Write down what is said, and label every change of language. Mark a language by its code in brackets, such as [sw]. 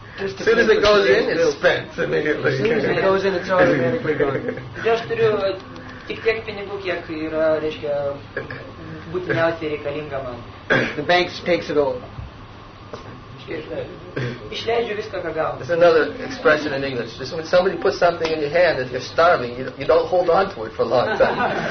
[en] as soon as it goes in, it's spent immediately. As soon as it goes in, it's automatically gone. [lt] Aš turiu tik tiek pinigų, kiek yra, reiškia, būtiniausiai reikalinga man. [en] The bank takes it all. [lt] Išleidžiu viską, ką gaunu. [en] There's another expression in English. Just when somebody puts something in your hand, if you're starving, you don't hold on to it for a long time.